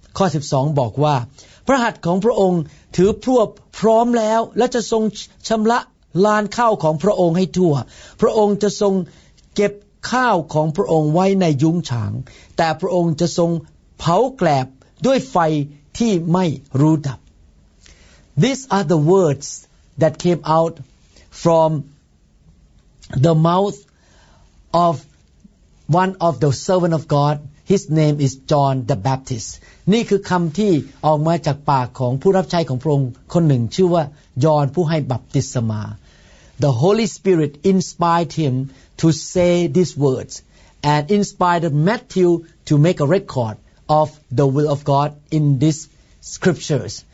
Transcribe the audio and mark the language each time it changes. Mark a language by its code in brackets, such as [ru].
[th] ข้อ12บอกว่าพระหัตถ์ของพระองค์ถือพรวดพร้อมแล้วและจะทรงชำระลานข้าวของพระองค์ให้ทั่วพระองค์จะทรงเก็บข้าวของพระองค์ไว้ในยุ้งฉางแต่พระองค์จะทรงเผาแกลบด้วยไฟที่ไม่รู้ดับ [en] These are the words that came out from the mouth of one of the servant of God. His name is John the Baptist. [th] นี่คือคำที่ออกมาจากปากของผู้รับใช้ของพระองค์คนหนึ่งชื่อว่ายอห์นผู้ให้บัพติศมา [en] The Holy Spirit inspired him to say these words and inspired Matthew to make a record of the will of God in these scriptures.